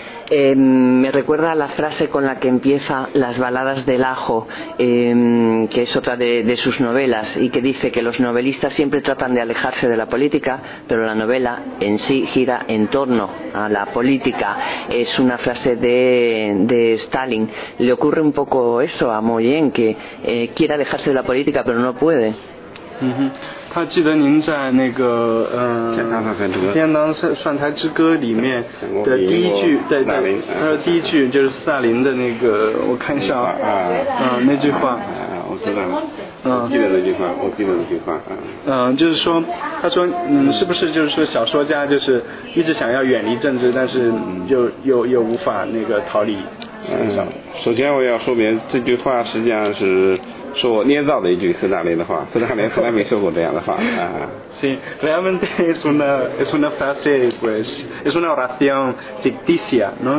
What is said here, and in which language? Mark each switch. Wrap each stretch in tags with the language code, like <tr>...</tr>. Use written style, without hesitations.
<es>Me recuerda a la frase con la que empieza Las baladas del ajo, que es otra de sus novelas, y que dice que los novelistas siempre tratan de alejarse de la política, pero la novela en sí gira en torno a la política. Es una frase de Stalin. ¿Le ocurre un poco eso a Moyen, que quiere alejarse de la política pero no puede?</es> <zh>他记得您在那个天堂上台之歌里面的第一句，对对，他说第一句就是萨林的那个，我看一下啊，那句话，我知道了，记得那句话，我记得那句话，就是说，他说，是不是就是说小说家就是一直想要远离政治，但是又无法那个逃离。首先我要说明这句话实际上是。是我捏造的一句斯大林的话，斯大林从来没说过这样的话啊。</zh> <es>Sí, realmente es una frase pues es una oración ficticia, ¿no?</es>